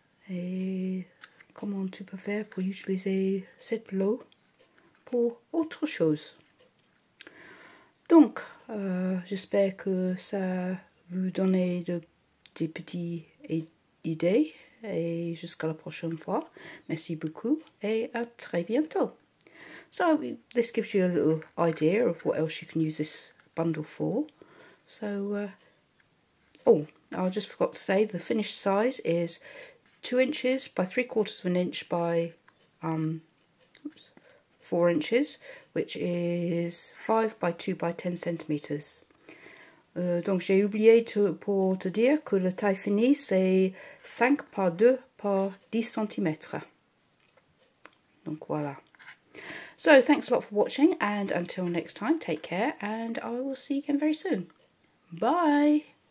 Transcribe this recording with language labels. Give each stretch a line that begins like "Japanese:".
French: Et comment tu peux faire pour utiliser cette lot pour autre chose. Donc j'espère que ça vous donne des petites idées. Et jusqu'à la prochaine fois. Merci beaucoup et à très bientôt.
English: So, this gives you a little idea of what else you can use this bundle for. So, I just forgot to say the finished size is 2 inches by 3/4 of an inch by 4 inches, which is 5 by 2 by 10 centimeters.
French: Donc j'ai oublié pour te dire que la taille finie c'est 5 par 2 par 10 centimètres. Donc voilà.
English: So thanks a lot for watching, and until next time, take care, and I will see you again very soon. Bye!